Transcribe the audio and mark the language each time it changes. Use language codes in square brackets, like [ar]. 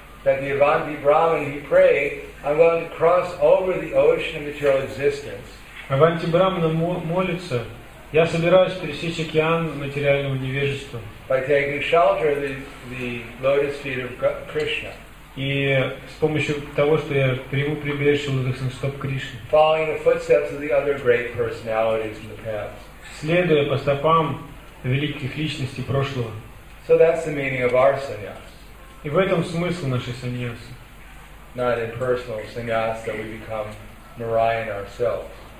[en] That the Avanti Brahman, he prayed, I'm going to cross over the ocean of material existence. [ru] Avanti Brahman молится, я собираюсь пересечь океан материального невежества. [en] By taking shelter of the lotus feet of Krishna. [ru] И с помощью того, что я приму прибежище лотосных стоп Кришны. [en] Following the footsteps of the other great personalities in the past. [ru] Следуя по стопам великих личностей прошлого. [en] So that's the meaning of our sannyas. [ru] И в этом смысл нашей саньясы. [en] Not in personal sannyas that we become Narayan ourselves.